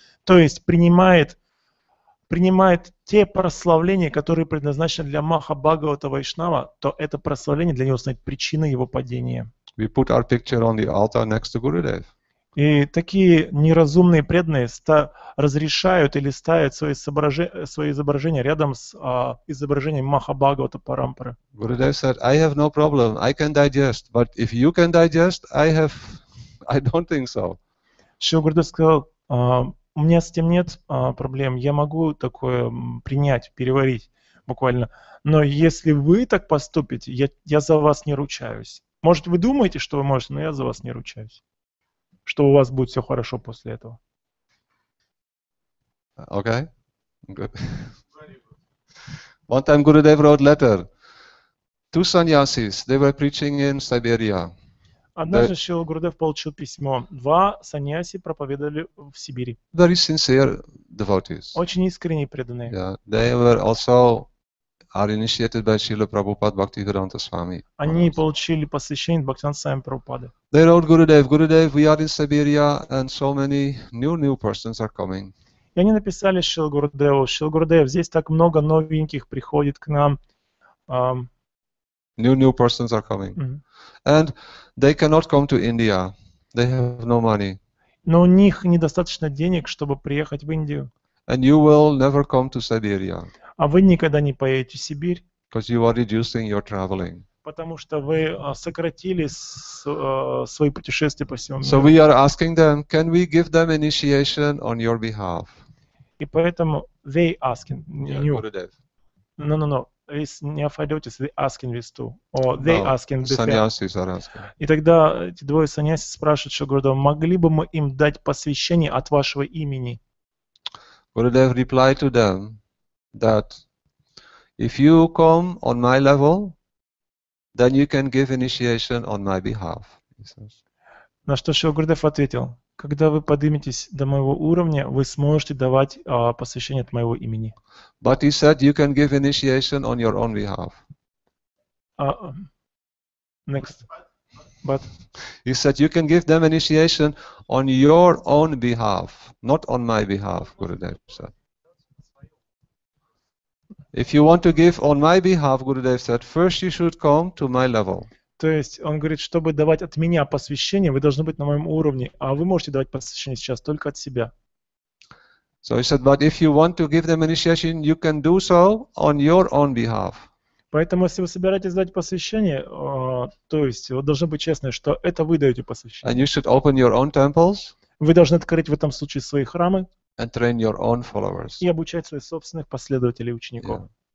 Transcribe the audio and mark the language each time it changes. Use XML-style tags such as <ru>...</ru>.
<ru>То есть принимает те прославления, которые предназначены для Махабхагавата Вайшнава, то это прославление для него станет причиной его падения.</ru> <en>We put our picture on the altar next to Gurudev.</en> <ru>И такие неразумные преданные разрешают или ставят свои изображения рядом с изображением Махабхагавата Парампары.</ru> <en>Gurudev said, I have no problem, I can digest, but if you can digest, I don't think so.</en> <ru>Шрила Гурудев сказал, у меня с этим нет проблем, я могу такое принять, переварить буквально, но если вы так поступите, я за вас не ручаюсь. Может, вы думаете, что вы можете, но я за вас не ручаюсь, что у вас будет все хорошо после этого.</ru> <en>Okay, good. One time Gurudev wrote letter to sannyasis. They were preaching in Siberia.</en> <ru>Однажды Шрила Гурудев получил письмо. Два саньяси проповедовали в Сибири.</ru> <en>Very sincere devotees.</en> <ru>Очень искренне преданные.</ru> <en>Yeah, they were also are initiated by Srila Prabhupada Bhaktivedanta Swami.</en> <ru>Они получили посвящение Бхактивинода Свами Прабхупады.</ru> <en>They wrote Gurudev, Gurudev, we are in Siberia and so many new persons are coming.</en> <ru>И они написали Шрила Гурудеву, Шрила Гурудев, здесь так много новеньких приходит к нам.</ru> <en>New persons are coming. Mm-hmm. And they cannot come to India. They have no money.</en> <ru>Но у них недостаточно денег, чтобы приехать в Индию.</ru> <en>And you will never come to Siberia.</en> <ru>А вы никогда не поедете в Сибирь.</ru> <en>Because you are reducing your traveling.</en> <ru>Потому что вы сократили свои путешествия по всему миру.</ru> <en>So we are asking them, can we give them initiation on your behalf?</en> <ru>И поэтому</ru> <en>they asking you. Yeah, No. Is neophytes asking this too, or they asking this? Саньясис are asking.</en> <ru>И тогда эти двое саньясис спрашивают Шрилу Гурудева, могли бы мы им дать посвящение от вашего имени?</ru> <en>Gurudev replied to them that if you come on my level, then you can give initiation on my behalf.</en> <ru>На что Шрилу Гурудев ответил, когда вы подниметесь до моего уровня, вы сможете давать посвящение от моего имени.</ru> <en>But he said you can give initiation on your own behalf. Next. But he said you can give them initiation on your own behalf, not on my behalf, Gurudev said. If you want to give on my behalf, Gurudev said, first you should come to my level.</en> <ru>То есть он говорит, чтобы давать от меня посвящение, вы должны быть на моем уровне, а вы можете давать посвящение сейчас только от себя.</ru> <en>So he said, but if you want to give them initiation, you can do so on your own behalf.</en> <ru>Поэтому если вы собираетесь дать посвящение, то есть вы должны быть честны, что это вы даете посвящение.</ru> <en>And you should open your own temples.</en> <ru>Вы должны открыть в этом случае свои храмы.</ru> <en>And train your own followers.</en> <ru>И обучать своих собственных последователей учеников.</ru> <en>Yeah.</en>